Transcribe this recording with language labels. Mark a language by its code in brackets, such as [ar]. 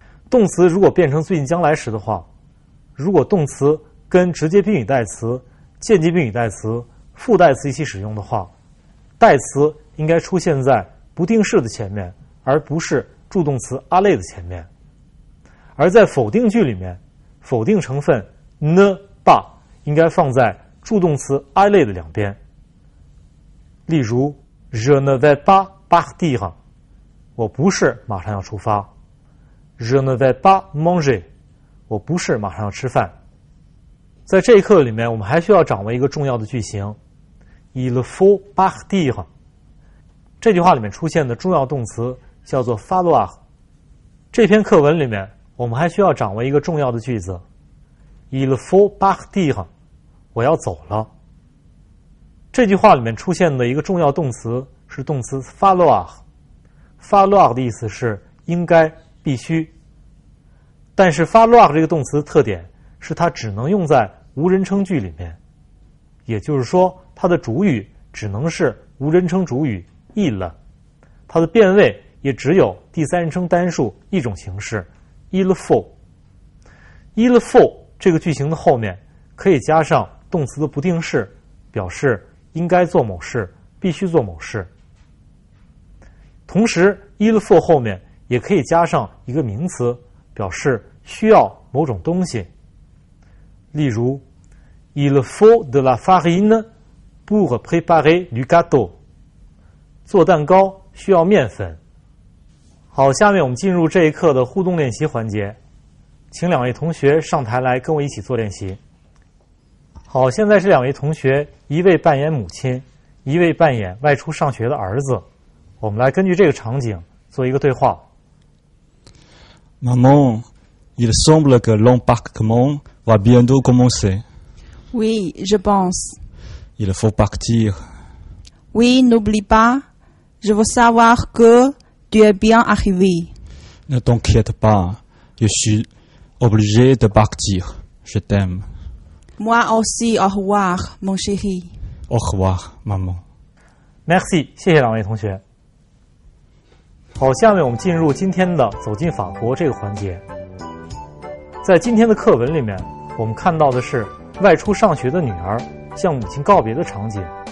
[zh] 动词如果变成最近将来时的话，如果动词跟直接宾语代词、间接宾语代词、副代词一起使用的话，代词应该出现在不定式的前面，而不是助动词 aller 的前面。而在否定句里面，否定成分 ne pas 应该放在助动词 aller 的两边。例如 ， [fr] Je ne vais pas partir， [zh] 我不是马上要出发。 [fr] Je ne vais pas manger， [zh] 我不是马上要吃饭。在这一课里面，我们还需要掌握一个重要的句型 ， [fr] Il faut partir。 [zh] 这句话里面出现的重要动词叫做 falloir。这篇课文里面，我们还需要掌握一个重要的句子 ， [fr] Il faut partir， [zh] 我要走了。这句话里面出现的一个重要动词是动词 falloir。 falloir 的意思是应该。必须，但是 falloir 这个动词的特点是它只能用在无人称句里面，也就是说它的主语只能是无人称主语 il， 它的变位也只有第三人称单数一种形式 il faut。 il faut 这个句型的后面可以加上动词的不定式，表示应该做某事，必须做某事。同时 il faut 后面也可以加上一个名词，表示需要某种东西。 [fr] 例如 il faut de la farine pour préparer du gâteau， [zh] 做蛋糕需要面粉。好，下面我们进入这一课的互动练习环节，请两位同学上台来跟我一起做练习。好，现在是两位同学，一位扮演母亲，一位扮演外出上学的儿子，我们来根据这个场景做一个对话。 [fr] Maman, il semble que l'embarquement va bientôt commencer. Oui, je pense. Il faut partir. Oui, n'oublie pas. Je veux savoir que tu es bien arrivé. Ne t'inquiète pas. Je suis obligé de partir. Je t'aime. Moi aussi, au revoir, mon chéri. Au revoir, maman. [zh] Merci, 谢谢两位同学。好，下面我们进入今天的走进法国这个环节。在今天的课文里面，我们看到的是外出上学的女儿向母亲告别的场景。